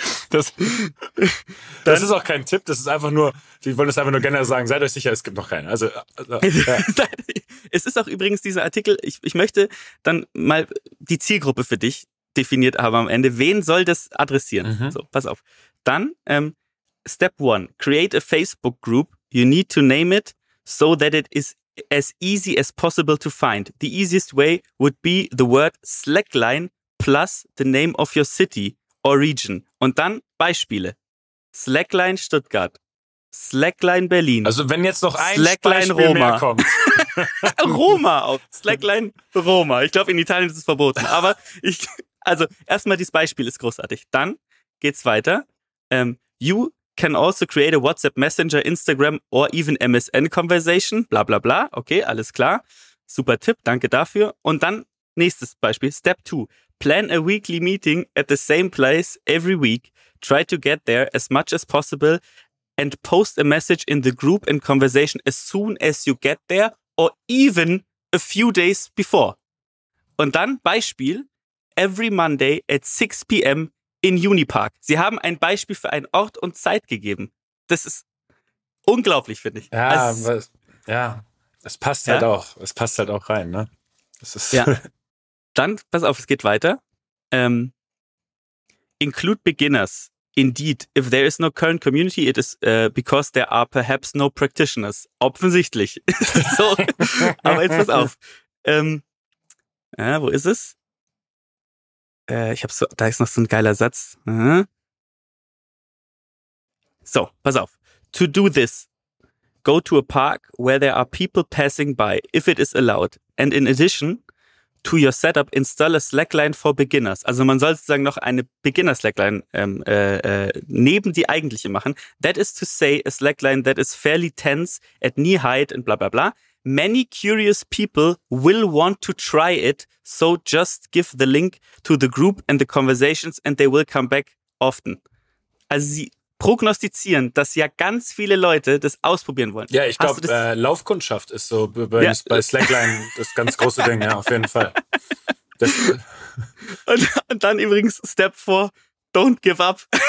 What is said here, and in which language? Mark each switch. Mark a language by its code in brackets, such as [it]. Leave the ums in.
[de] Das, das ist auch kein Tipp, das ist einfach nur, die wollen das einfach nur generell sagen, seid euch sicher, es gibt noch keinen. Also, also ja. es ist auch übrigens dieser Artikel, ich, ich möchte dann mal die Zielgruppe für dich definiert haben am Ende. Wen soll das adressieren? Mhm. So, pass auf. Dann, ähm, [en] Step one, create a Facebook group. You need to name it so that it is as easy as possible to find. The easiest way would be the word Slackline plus the name of your city or region. [de] Und dann Beispiele. Slackline Stuttgart. Slackline Berlin. also wenn jetzt noch ein Slackline Beispiel Roma. mehr kommt. Roma auch. Slackline Roma. Ich glaube, in Italien ist es verboten. Aber ich, also erstmal dieses Beispiel ist großartig. Dann geht's weiter. [en] Ähm, you can also create a WhatsApp Messenger, Instagram or even MSN conversation. Bla bla bla. [de] Okay, alles klar. Super Tipp, danke dafür. Und dann nächstes Beispiel, Step 2. [en] Plan a weekly meeting at the same place every week. Try to get there as much as possible and post a message in the group and conversation as soon as you get there or even a few days before. [de] Und dann Beispiel, [en] every Monday at 6 p.m. in Unipark. [de] Sie haben ein Beispiel für einen Ort und Zeit gegeben. Das ist unglaublich, finde ich. Ja, Also, aber es- ja, es passt Ja? halt auch. Es passt halt auch rein, ne? Das ist Ja. Dann, pass auf, es geht weiter. [en] Ähm, include beginners. Indeed, if there is no current community, it is äh, because there are perhaps no practitioners. [de] Offensichtlich. so. Aber jetzt pass auf. Ähm, ja, wo ist es? Äh, ich habe so, da ist noch so ein geiler Satz. Mhm. So, pass auf. [en] To do this, go to a park where there are people passing by, if it is allowed. And in addition, to your setup install a Slackline for beginners. [de] Also man soll sozusagen noch eine Beginner Slackline ähm, äh, äh, neben die eigentliche machen. [en] That is to say a Slackline that is fairly tense at knee height and bla bla bla. Many curious people will want to try it, so just give the link to the group and the conversations and they will come back often. [de] Also sie prognostizieren, dass ja ganz viele Leute das ausprobieren wollen. Ja, ich Hast du glaube, das- äh, Laufkundschaft ist so bei, bei- Ja. bei Slackline das ganz große Ding, ja, auf jeden Fall. Das, Und, und dann übrigens Step 4, [en] don't give up.